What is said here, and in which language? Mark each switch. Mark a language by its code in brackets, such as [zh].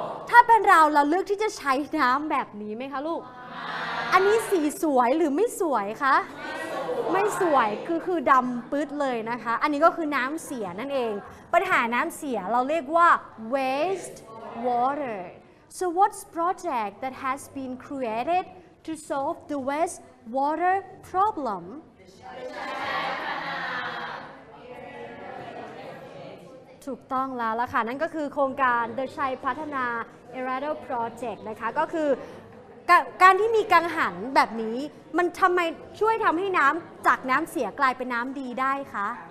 [th] ถ้าเป็นเราเราเลือกที่จะใช้น้ำแบบนี้ไหมคะลูกอันนี้สีสวยหรือไม่สวยคะ ไม่สวย คือดำปื๊ดเลยนะคะอันนี้ก็คือน้ำเสียนั่นเองปัญหาน้ำเสียเราเรียกว่า waste water. [en] So what's project that has been created to solve the waste water problem? [th] ถูกต้องแล้วล่ะค่ะนั่นก็คือโครงการ The Chai Pattana Eradal Project นะคะก็คือการที่มีกังหันแบบนี้มันทำไมช่วยทำให้น้ำจากน้ำเสียกลายเป็นน้ำดีได้คะ